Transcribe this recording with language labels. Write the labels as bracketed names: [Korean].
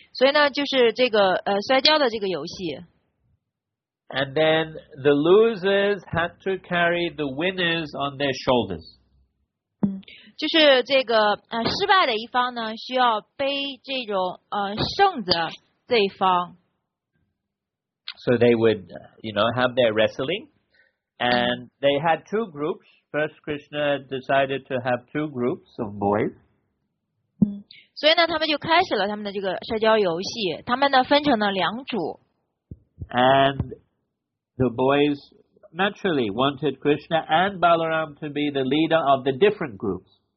[Chinese] 所以呢，就是这个摔跤的这个游戏。 [English] And then the losers had to carry the winners on their shoulders. [Chinese] 就是这个失败的一方呢，需要背这种胜者这一方。 [English] So they would, you know, have their wrestling, and they had two groups. First, Krishna decided to have two groups of boys. [Chinese] 所以呢，他们就开始了他们的这个摔跤游戏。他们呢分成了两组。 [English] And the boys naturally wanted Krishna and Balaram to be the leader of the different groups.